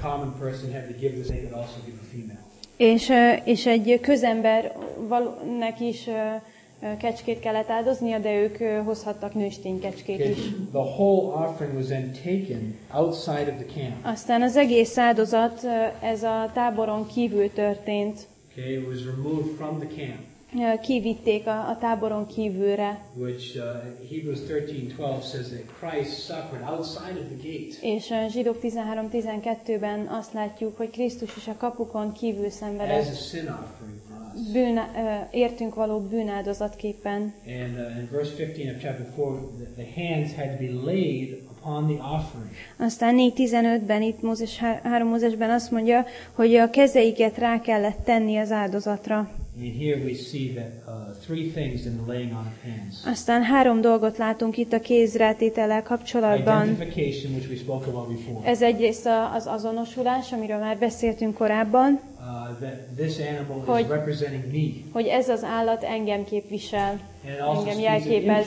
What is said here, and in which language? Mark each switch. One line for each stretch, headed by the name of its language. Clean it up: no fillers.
English: common person had to give this, they could also give a female.
Hungarian: És egy közember valnek is kecskét kellett áldoznia, de ők hozhattak nőstény kecskét is.
English: The whole offering was then taken outside of the camp.
Hungarian: Aztán az egész áldozat ez a táboron kívül történt.
English: Okay, it was removed from the camp.
Hungarian: Kivitték a táboron kívülre.
English: Which Hebrews 13:12 says that Christ suffered outside of the gate.
Hungarian: És Zsidók 13:12-ben azt látjuk, hogy Krisztus is a kapukon kívül szenvedett.
English: As a sin offering.
Hungarian: Bűn, értünk való bűnáldozatképpen.
English: And in verse 15 of chapter 4, the hands had to be laid upon the offering.
Hungarian: Aztán 4:15-ben itt Mózes 3 Mózesben azt mondja, hogy a kezeiket rá kellett tenni az áldozatra.
English: And here we see that three things in the laying on of hands.
Hungarian: Aztán három dolgot látunk itt a kézrátétellel kapcsolatban.
English: Identification, which we spoke about before.
Hungarian: Ez egyrészt az azonosulás, amiről már beszéltünk korábban.
English: That this animal
Hungarian: hogy,
English: is representing me.
Hungarian: Hogy ez az állat engem képvisel,
English: and also
Hungarian: engem jelképez.